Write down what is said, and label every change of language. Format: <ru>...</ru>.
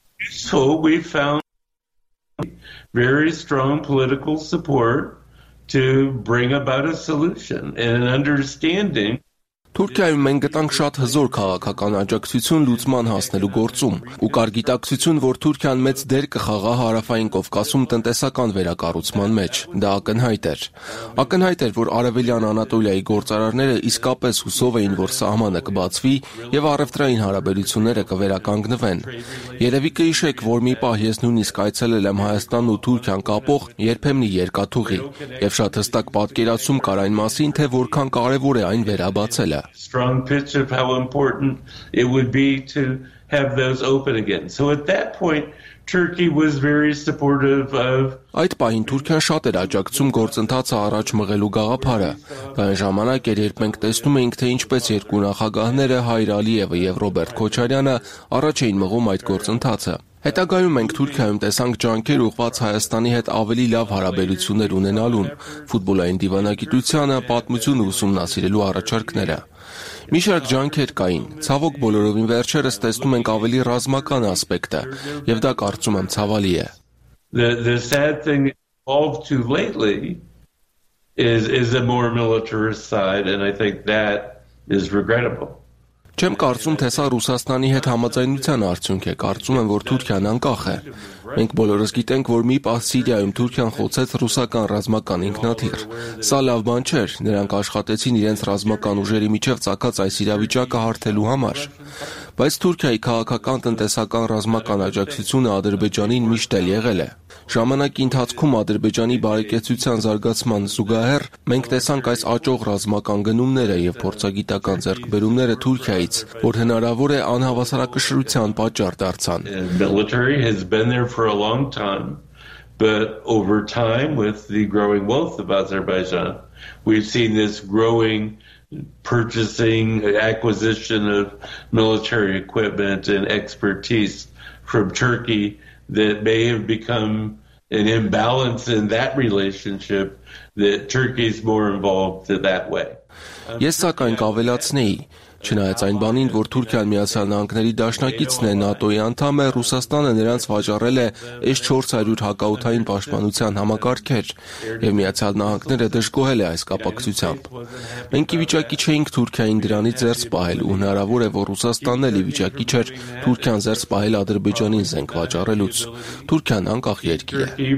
<en>So we found very strong political support to bring about a solution and an understanding.</en> <hy>Թուրքիայում մենք գտանք շատ հզոր քաղաքական աջակցություն լուծման հասնելու գործում, ու կար գիտակցություն, որ Թուրքիան մեծ դեր կխաղա Հարավային Կովկասում տնտեսական վերակառուցման մեջ։ Դա ակնհայտ էր։ Ակնհայտ էր, որ Արևելյան Անատոլիայի գործարարները իսկապես հուսով էին, որ սահմանը կբացվի և առևտրային հարաբերությունները կվերականգնվեն։ Երևի կհիշեք, որ մի պահ ես նույնիսկ այցելել եմ Հայաստանն ու Թուրքիան կապող երբեմնի երկաթուղի, և շատ հստակ պատկերացում կար այն մասին, թե որքան կարևոր է այն վերաբացել։</hy> <en>Strong pitch of how important it would be to have those open again. So at that point, Turkey was very supportive of.</en> <hy>Այդ պահին Թուրքիան շատ էր աջակցում գործընթացը առաջ մղելու գաղափարը, այն ժամանակ էր, երբ մենք տեսնում էինք, թե ինչպես երկու նախագահները, Հայր Ալիևը և Ռոբերտ Քոչարյանը, առաջ էին մղում այդ գործընթացը։ Հետագայում մենք Թուրքիայում տեսանք ջանքեր ուղված Հայաստանի հետ ավելի լավ հարաբերություններ ունենալուն, ֆուտբոլային դիվանագիտությանը, պատմությունը ուսումնասիրելու առաջարկները։ Մի շարք ջանքեր կային, ցավոք բոլորովին վերջերս տեսնում ենք ավելի ռազմական ասպեկտը, և դա կարծում եմ ցավալի է։</hy> <en>The sad thing of too lately is a more militarist side, and I think that is regrettable.</en> <hy>Չեմ կարծում, թե սա Ռուսաստանի հետ համաձայնության արդյունք է, կարծում եմ, որ Թուրքիան անկախ է։ Մենք բոլորս գիտենք, որ մի պահ Սիրիայում Թուրքիան խոցեց ռուսական ռազմական ինքնաթիռ։ Սա լավ բան չէր, նրանք աշխատեցին իրենց ռազմական ուժերի միջև ցակած այս իրավիճակը հարթելու համար։ Բայց Թուրքիայի քաղաքական տնտեսական ռազմական աջակցությունը Ադրբեջանին միշտ էլ եղել է։ Ժամանակի ընթացքում Ադրբեջանի բարեկեցության զարգացման զուգահեռ մենք տեսանք այս աճող ռազմական գնումները եւ փորձագիտական ձեռքբերումները Թուրքիայից, որ հնարավոր է անհավասարակշռության պատճառ դարձան։</hy> <en>Military has been there for a long time, but over time with the growing wealth of Azerbaijan, we've seen this growing purchasing, acquisition of military equipment and expertise from Turkey that may have become an imbalance in that relationship that Turkey's more involved in that way.</en> <hy>Ես սակայն կավելացնեի, չնայած այն բանին, որ Թուրքիան Միացյալ Նահանգների դաշնակիցն է ՆԱՏՕ-ի անդամ է, Ռուսաստանը նրանց վաճառել է այս 400 հակաօդային պաշտպանության համակարգեր, եւ Միացյալ Նահանգները դժգոհել է այս կապակցությամբ։ Մենք ի վիճակի չէինք Թուրքիային դրանից ձեռք պահել, ու հնարավոր է, որ Ռուսաստանն էլ ի վիճակի չէր Թուրքիան ձեռք պահել Ադրբեջանին զենք վաճառելուց։ Թուրքիան անկախ երկիր է։</hy>